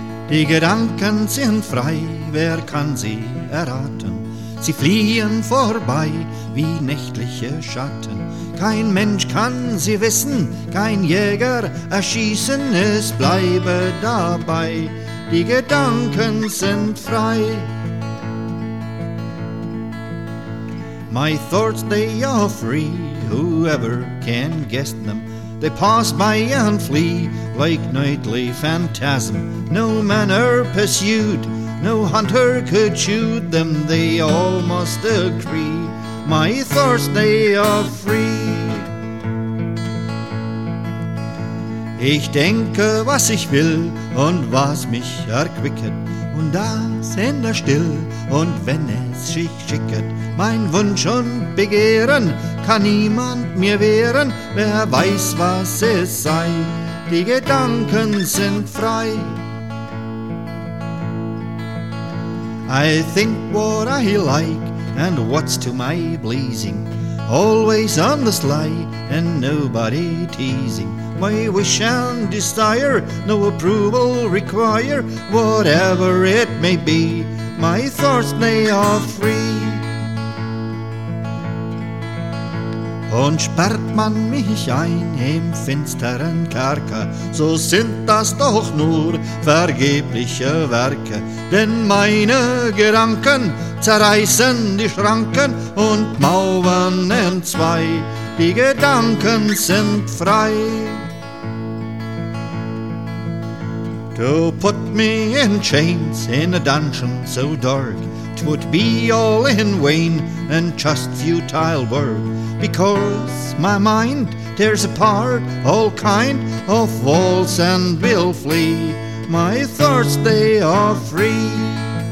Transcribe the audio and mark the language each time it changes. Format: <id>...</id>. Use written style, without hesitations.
<de>Die Gedanken sind frei, wer kann sie erraten? Sie fliehen vorbei wie nächtliche Schatten. Kein Mensch kann sie wissen, kein Jäger erschießen. Es bleibe dabei, die Gedanken sind frei.</de> <en>My thoughts, they are free, whoever can guess them. They pass by and flee like nightly phantasm. No manner pursued, no hunter could shoot them. They all must agree, my thoughts, they are free.</en> <de>Ich denke, was ich will und was mich erquicket. Und das in der Still und wenn es sich schicket. Mein Wunsch und Begehren kann niemand mir wehren. Wer weiß, was es sei, die Gedanken sind frei.</de> <en>I think what I like and what's to my pleasing. Always on the sly and nobody teasing. My wish and desire, no approval require. Whatever it may be, my thoughts, they are free.</en> <de>Und sperrt man mich ein im finsteren Kerker, so sind das doch nur vergebliche Werke. Denn meine Gedanken zerreißen die Schranken und Mauern entzwei, die Gedanken sind frei.</de> <en>To put me in chains in a dungeon so dark, 'twould be all in vain and just futile work. Because my mind tears apart all kind of walls and will flee, my thoughts they are free.</en>